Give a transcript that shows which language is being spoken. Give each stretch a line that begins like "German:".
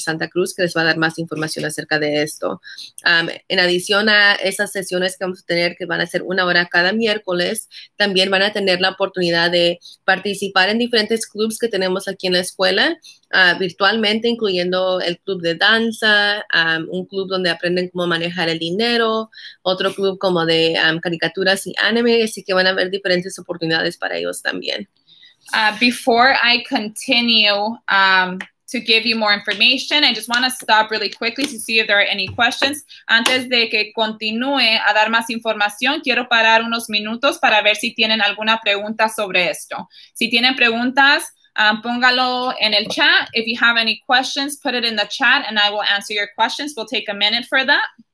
Spanish: Santa Cruz, que les va a dar más información acerca de esto. En adición a esas sesiones que vamos a tener, que van a ser una hora cada miércoles, también van a tener la oportunidad de participar en diferentes clubs que tenemos aquí en la escuela, virtualmente, incluyendo el club de danza, un club donde aprenden cómo manejar el dinero, otro club como de caricaturas y anime, así que van a haber diferentes oportunidades para ellos también.
English: Before I continue to give you more information, I just want to stop really quickly to see if there are any questions.
Spanish: Antes de que continúe a dar más información, quiero parar unos minutos para ver si tienen alguna pregunta sobre esto. Si tienen preguntas, póngalo en el chat.
English: If you have any questions, put it in the chat and I will answer your questions. We'll take a minute for that.